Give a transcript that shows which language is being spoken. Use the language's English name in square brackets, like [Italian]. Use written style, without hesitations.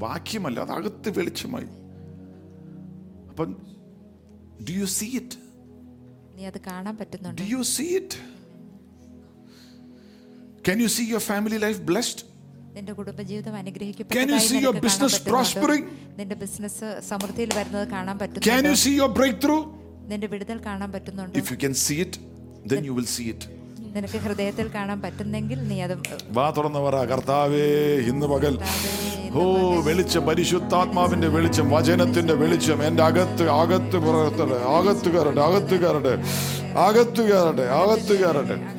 [Malayalam] വാക്യമല്ല, അത് അകത്ത് വെളിച്ചമായി. അപ്പം [English] Do you see it? [Malayalam] നീ അത് കാണാൻ പറ്റുന്നുണ്ടോ? [English] Do you see it? Can you see your family life blessed? [Malayalam] നിന്റെ കുടുംബജീവിതം അനുഗ്രഹിക്കപ്പെട്ടതായി കാണാൻ പറ്റുന്നു. [English] Can you see your business prospering? [Malayalam] നിന്റെ ബിസിനസ് സമൃദ്ധിയിൽ വരുന്നത് കാണാൻ പറ്റുന്നു. [English] Can you see your breakthrough? [Malayalam] നിന്റെ വിടുതൽ കാണാൻ പറ്റുന്നുണ്ട്. [English] If you can see it, then you will see it. [Malayalam] നിനക്ക് ഹൃദയത്തിൽ കാണാൻ പറ്റുന്നെങ്കിൽ നീ അത്. വാ തുറന്നു പറ, കർത്താവേ ഇന്ന് പകൽ വെളിച്ചം, പരിശുദ്ധാത്മാവിന്റെ വെളിച്ചം, വചനത്തിന്റെ വെളിച്ചം എന്റെ അകത്ത് അകത്ത് പുറത്തേ അകത്ത് കയറട്ടെ, അകത്ത് കയറട്ടെ, അകത്ത് കയറട്ടെ, അകത്ത് കയറട്ടെ.